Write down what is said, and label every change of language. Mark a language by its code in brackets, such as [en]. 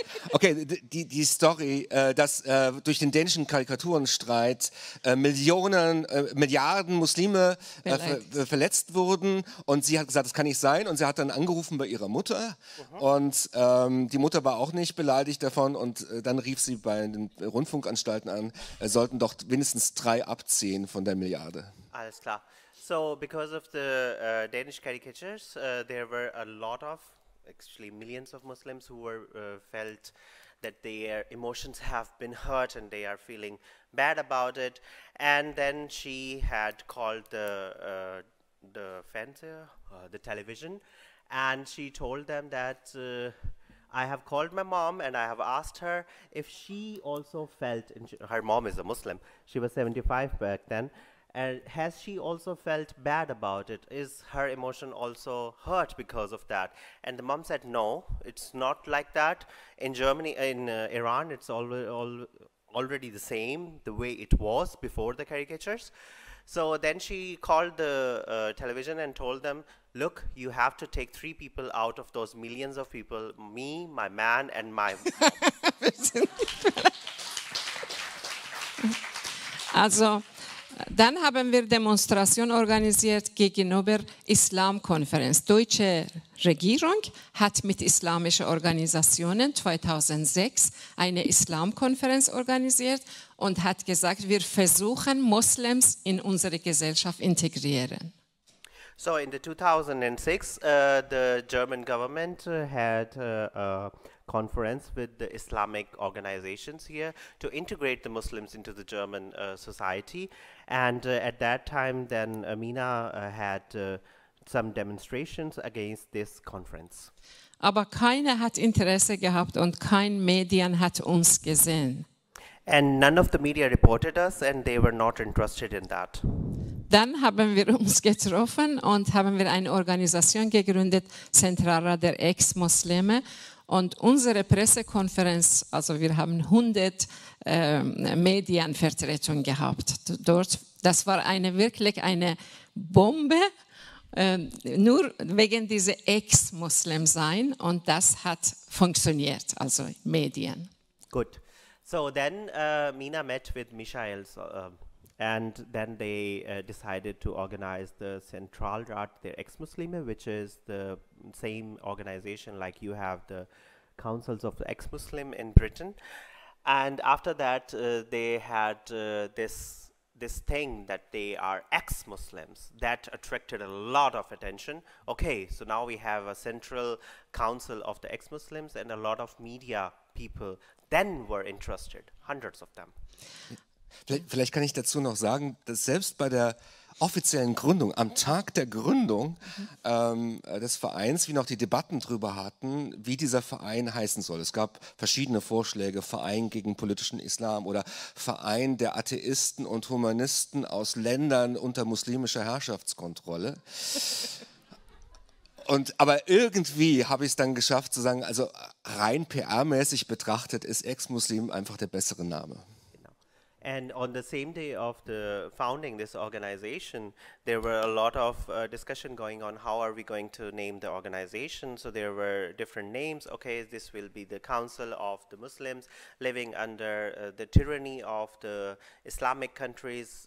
[de] Okay, die Story, dass durch den dänischen Karikaturenstreit Milliarden Muslime verletzt wurden und sie hat gesagt, das kann nicht sein und sie hat dann angerufen bei ihrer Mutter und die Mutter war auch nicht beleidigt davon und dann rief sie bei den Rundfunkanstalten an, sollten doch wenigstens 3 abziehen von der Milliarde. Alles klar. [en] So, because of the Danish caricatures, there were a lot of actually millions of Muslims who were felt that their emotions have been hurt and they are feeling bad about it. And then she had called the fencer, the television, and she told them that I have called my mom and I have asked her if she also felt, her mom is a Muslim, she was 75 back then, and has she also felt bad about it? Is her emotion also hurt because of that? And the mom said, no, it's not like that. In Germany, in Iran, it's already the same, the way it was before the caricatures. So then she called the television and told them, look, you have to take 3 people out of those millions of people, me, my man, and my mom. [de] Also, dann haben wir Demonstration organisiert gegenüber Islamkonferenz. Deutsche Regierung hat mit islamischen Organisationen 2006 eine Islamkonferenz organisiert und hat gesagt, wir versuchen Muslims in unsere Gesellschaft integrieren. [en] So in the 2006 the German government had a conference with the Islamic organizations here to integrate the Muslims into the German society. And at that time, then Mina had some demonstrations against this conference. [de] Aber keiner hat Interesse gehabt und kein Medien hat uns gesehen. [en] And none of the media reported us and they were not interested in that. [de] Dann haben wir uns getroffen und haben wir eine Organisation gegründet, Zentralrat der Ex-Muslime. Und unsere Pressekonferenz, also wir haben 100 Medienvertretungen gehabt dort. Das war eine wirklich eine Bombe, nur wegen dieser Ex-Muslim sein. Und das hat funktioniert, also Medien. Gut. [en] So then Mina met with Michael and then they decided to organize the Zentralrat der Ex-Muslime, which is the same organization like you have the Councils of the Ex-Muslim in Britain, and after that they had this thing that they are ex-Muslims that attracted a lot of attention. Okay, so now we have a central council of the ex-Muslims and a lot of media people then were interested, hundreds of them. [de] Vielleicht kann ich dazu noch sagen, dass selbst bei der offiziellen Gründung, am Tag der Gründung des Vereins, wie noch die Debatten darüber hatten, wie dieser Verein heißen soll. Es gab verschiedene Vorschläge, Verein gegen politischen Islam oder Verein der Atheisten und Humanisten aus Ländern unter muslimischer Herrschaftskontrolle. Und, aber irgendwie habe ich es dann geschafft zu sagen, also rein PR-mäßig betrachtet ist Ex-Muslim einfach der bessere Name. [en] And on the same day of the founding this organization, there were a lot of discussion going on, how are we going to name the organization? So there were different names. Okay, this will be the Council of the Muslims living under the tyranny of the Islamic countries.